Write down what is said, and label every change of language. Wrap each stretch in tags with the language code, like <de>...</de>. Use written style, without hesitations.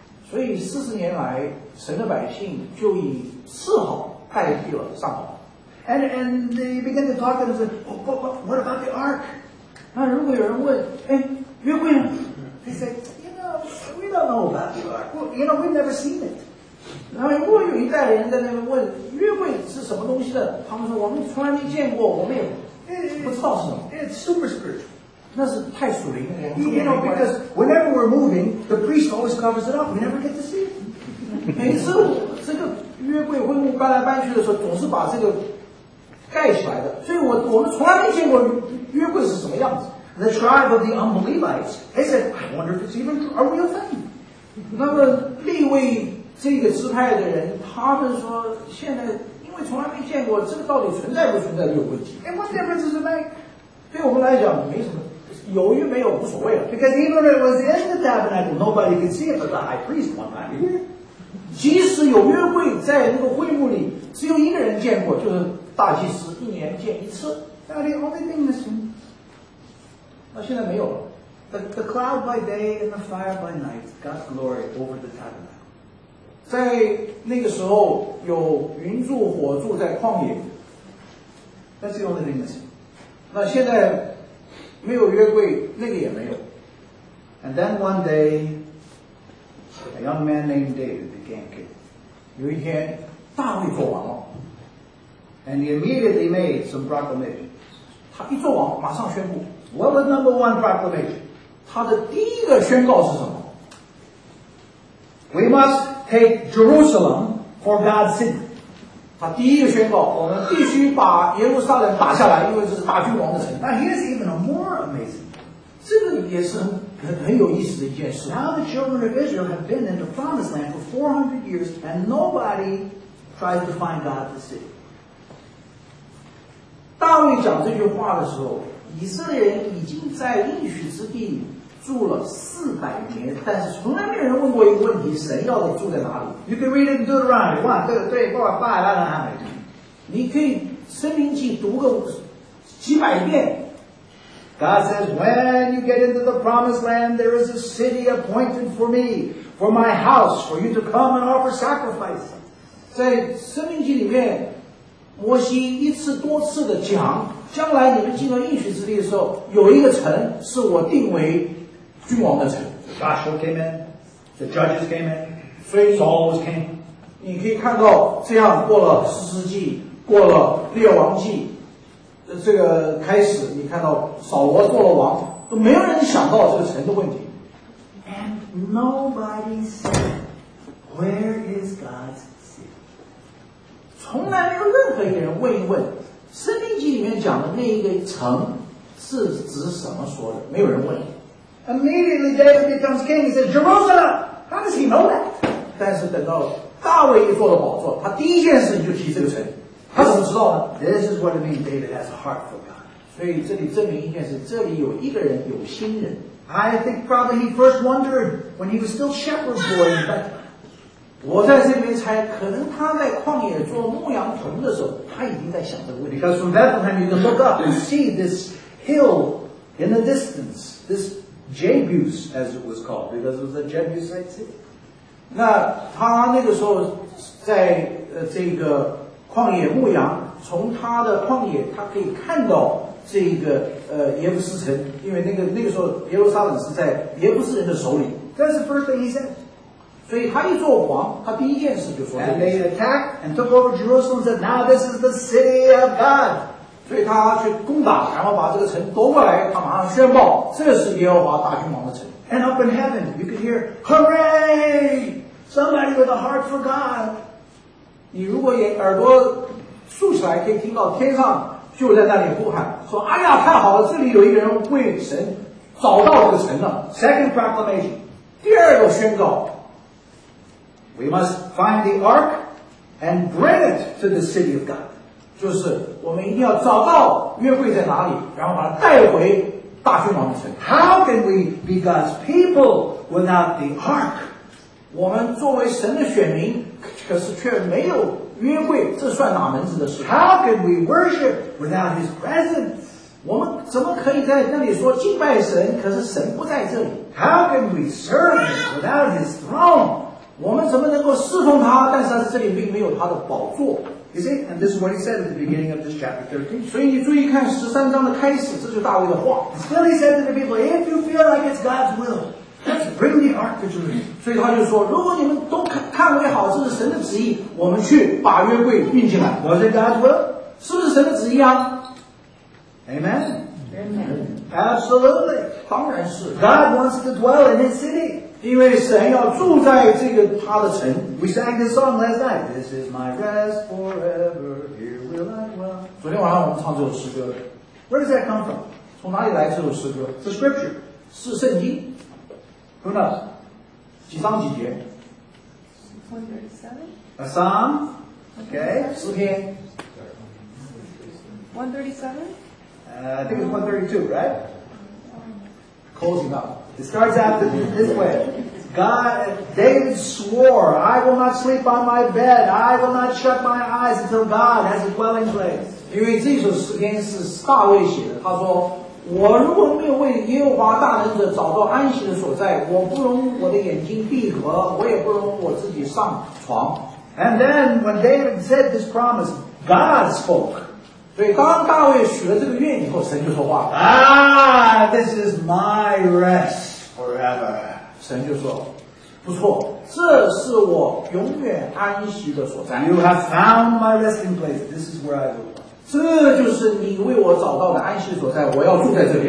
<zh>所以40年来，神的百姓就以伺候代替了上好。</zh> <en>And they begin to talk and say, what about the ark?</en> <zh>那如果有人问，哎，约柜呢？</zh> <en>They say, you know, we don't know about the ark. Well, you know, we've never seen it.</en> <zh>然后如果有一代人在那边问约柜是什么东西的，他们说我们从来没见过，我们也不知道是什么。</zh> <en>It's super spiritual.</en> <zh>那是太属灵了。</zh> <en>You know, because whenever we're moving, the priest always covers it up. We never get to see it.</en> <zh>每次这个约柜会幕搬来搬去的时候，总是把这个盖起来的，所以我们从来没见过。约柜是什么样子？</zh> <en>The tribe of the unbelievites, they said, I wonder if it's even a real thing.</en> <zh>那么利未这个支派的人，他们说现在因为从来没见过，这个到底存在不存在有问题。</zh> <en>And what difference does it make?</en> <zh>对我们来讲没什么，有与没有无所谓了。</zh> <en>Because even if it was in the tabernacle, nobody could see it but the high priest one night.</en> <zh>即使有约柜在那个会幕里，只有一个人见过，就是大祭司一年见一次。</zh> <en>Now the only thing missing.</en> <zh>那现在没有了。</zh> <en>The cloud by day and the fire by night, God's glory over the tabernacle.</en> <zh>在那个时候有云柱火柱在旷野。</zh> <en>That's the only thing missing.</en> <zh>那现在没有约柜，那个也没有。</zh> <en>And then one day, a young man named David became king.</en> <zh>有一天大卫做王了。</zh> <en>And he immediately made some proclamations.</en> <zh>他一做王马上宣布。</zh> <en>What was number one proclamation?</en> <zh>他的第一个宣告是什么？</zh> <en>We must take Jerusalem for God's city.</en> <zh>他第一个宣告，我们必须把耶路撒冷打下来，因为这是大君王的城。</zh> <en>Now here's even a more amazing.</en> <zh>这个也是很有意思的一件事。</zh> <en>Now the children of Israel have been in the promised land for 400 years, and nobody tries to find God at the city.</en> <zh>大卫讲这句话的时候，以色列人已经在应许之地住了400年，但是从来没有人问过一个问题：神要的住在哪里</zh> <en>？You can read it in Deuteronomy 1:8-9。</en> <zh>你可以《申命记》读个几百遍。</zh> <en>God says, "When you get into the promised land, there is a city appointed for me, for my house, for you to come and offer sacrifice."</en> <zh>在《申命记》里面，摩西一次多次的讲，将来你们进到应许之地的时候，有一个城是我定为君王的城。</zh> <en>Joshua came in, the judges came in, Saul was king.</en> <zh>你可以看到，这样过了四世纪，过了列王纪，这个开始，你看到扫罗做了王，都没有人想到这个城的问题。</zh> <en>And nobody said, "Where is God's city?"</en> <zh>从来没有任何一个人问一问，《申命记》里面讲的那一个城是指什么说的，没有人问。</zh> <en>Immediately David becomes king. He says, "Jerusalem." How does he know that?</en> <zh>但是等到大卫一坐了宝座，他第一件事就提这个城。他怎么知道呢？</zh> <en>This is what it means. David has a heart for God.</en> <zh>所以这里证明一件事：这里有一个人有心人。</zh> <en>I think probably he first wondered when he was still shepherd boy.</en> <zh>我在这边猜，可能他在旷野做牧羊童的时候，他已经在想这个问题。</zh> <en>Because from Bethlehem you can look up and see this hill in the distance. This Jebus, as it was called, because it was a Jebusite city.</en> <zh>那他那个时候在这个旷野牧羊，从他的旷野，他可以看到这个耶布斯城，因为那个时候耶路撒冷是在耶布斯人的手里。</zh> <en>That's the first thing he said.</en> <zh>所以他一做王，他第一件事就说。</zh> <en>And they attacked and took over Jerusalem. Said, "Now this is the city of God."</en> <zh>所以他去攻打，然后把这个城夺过来，他马上宣报，这是耶和华大君王的城。</zh> <en>And up in heaven, you can hear, "Hooray! Somebody with a heart for God."</en> <zh>你如果也耳朵竖起来，可以听到天上就在那里呼喊，说：“哎呀，太好了，这里有一个人为神找到这个城了。</zh> <en>”Second proclamation,</en> <zh>第二个宣告</zh> <en>，We must find the ark and bring it to the city of God.</en> <zh>就是我们一定要找到约柜在哪里，然后把它带回大君王的城。</zh> <en>How can we be God's people without the ark?</en> <zh>我们作为神的选民，可是却没有约柜，这算哪门子的事？</zh> <en>How can we worship without His presence?</en> <zh>我们怎么可以在那里说敬拜神，可是神不在这里？</zh> <en>How can we serve without His throne?</en> <zh>我们怎么能够侍奉他，但是这里并没有他的宝座？</zh> <en>You see, and this is what he said at the beginning of this chapter 13.</en> <zh>所以你注意看十三章的开始，这就是大卫的话。</zh> <en>Still, he said to the people, "If you feel like it's God's will, let's bring the ark to Jerusalem."</en> <zh>所以他就说，如果你们都看为好，这是神的旨意，我们去把约柜运进来。</zh> <en>Was it God's will?</en> <zh>是不是神的旨意啊？</zh> <en>Amen. Amen. Absolutely.</en> <zh>当然是。</zh> <en>God wants to dwell in His city.</en> <zh>因为神要住在这个他的城。</zh> <en>We sang this song last night. This is my rest forever. Here will I dwell.</en> <zh>昨天晚上我们唱这首诗歌。</zh> <en>Where does that come from?</en> <zh>从哪里来这首诗歌？</zh> <en>The scripture.</en> <zh>是圣经。</zh> <en>Who knows?</en> <zh>几章几节？ 137.</zh> <en>A psalm.</en> <zh>Okay. 诗篇。 137.</zh> <en>I think it's 132, right? Closing up. It starts out this way. David swore, "I will not sleep on my bed. I will not shut my eyes until God has a dwelling place."</en> <zh>因为这首诗篇是大卫写的，他说，我如果没有为耶和华大能者找到安息的所在，我不容我的眼睛闭合，我也不容我自己上床。</zh> <en>And then when David said this promise, God spoke.</en> <zh>所以当大卫许了这个愿以后，神就说话了。</zh> <en>This is my rest forever.</en> <zh>神就说，不错，这是我永远安息的所在。</zh> <en>You have found my resting place. This is where I will.</en> <zh>这这就是你为我找到的安息所在，我要住在这里。</zh>